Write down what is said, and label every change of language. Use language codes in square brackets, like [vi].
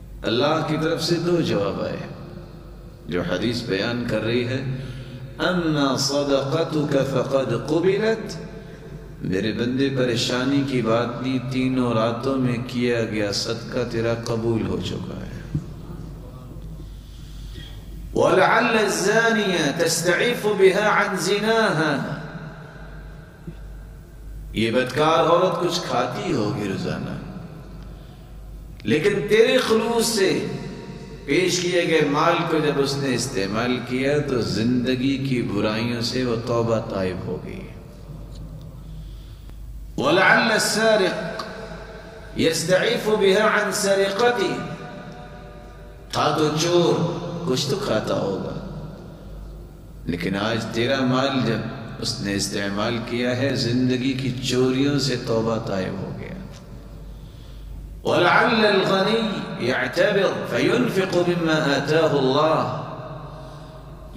[ur] اللہ کی طرف سے دو جواب آئے جو حدیث بیان کر رہی ہے، [ar] اما صدقتك فقد قبلت، [ur] میرے بندے پریشانی کی بات نہیں، تینوں راتوں میں کیا گیا صدقہ تیرا قبول ہو چکا ہے. [ar] ولعل الزانية تستعف بها عن زناها، [ur] یہ بدکار عورت کچھ کھاتی ہوگی روزانہ، لیکن تیرے خلوص سے پیش کیے گئے مال کو جب اس نے استعمال کیا تو زندگی کی برائیوں سے وہ توبہ طائب ہو گئی. [ar] ولعل السارق يستعف بها عن سرقتي، [ur] تھا تو چور کچھ تو کھاتا ہوگا، لیکن آج تیرا مال جب اس نے استعمال کیا ہے زندگی کی چوریوں سے توبہ طائب ہو گیا. [ar] ولعل الغنی يعتبر فينفق مما آتاه الله،